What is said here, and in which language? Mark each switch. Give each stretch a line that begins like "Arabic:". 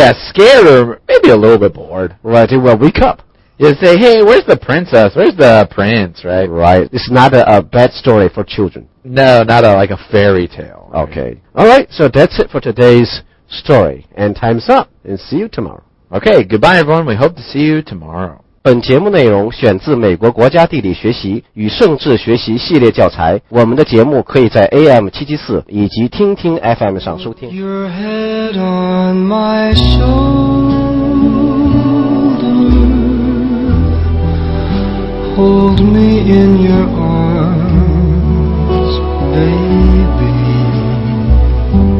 English: Yeah, scared or maybe a little bit bored. Right, they will wake up. You say, hey, where's the princess? Where's the prince, right? Right. It's not a bad story for children. No, not like a fairy tale. Right? Okay. All right, so that's it for today's story. And time's up. And see you tomorrow. Okay, goodbye, everyone. We hope to see you tomorrow.
Chinese: 本节目内容选自美国国家地理学习与政治学习系列教材。我们的节目可以在 AM774 以及听听 FM 上收听。
English: Your head on my shoulder. Hold me in your arms, baby.